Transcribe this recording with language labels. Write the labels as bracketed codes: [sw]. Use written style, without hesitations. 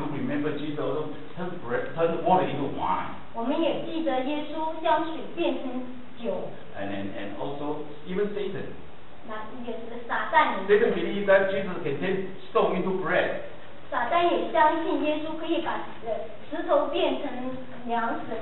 [en] you remember Jesus also turned water into wine. [zh] 我们也记得耶稣将水变成酒, [en] and also, even Satan. [zh] 那也是撒旦也是, [en] Satan believed that Jesus can turn stone into bread. [zh] 撒旦也相信耶稣可以把石头变成粮食,